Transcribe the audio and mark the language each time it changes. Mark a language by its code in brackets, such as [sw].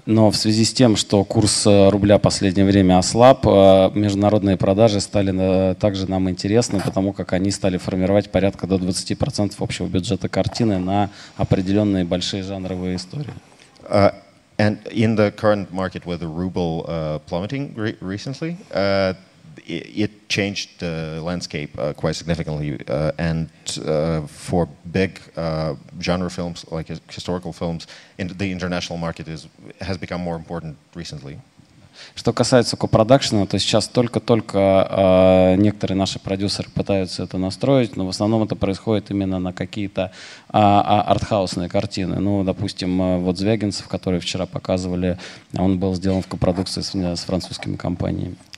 [ru] Но в связи с тем, что курс рубля в последнее время ослаб, международные продажи стали также нам интересны, потому как они стали формировать порядка до 20% общего бюджета картины на определенные большие жанровые истории. [en] And in the current market with the ruble plummeting recently, it changed the landscape quite significantly, and for big genre films, like historical films, in the international market has become more important recently. [ru] Что касается ко-продакшена, то сейчас только-только некоторые наши продюсеры пытаются это настроить, но в основном это происходит именно на какие-то арт-хаусные картины. Ну, допустим, вот Звягинцев, который вчера показывали, он был сделан в ко-продукции с французскими компаниями.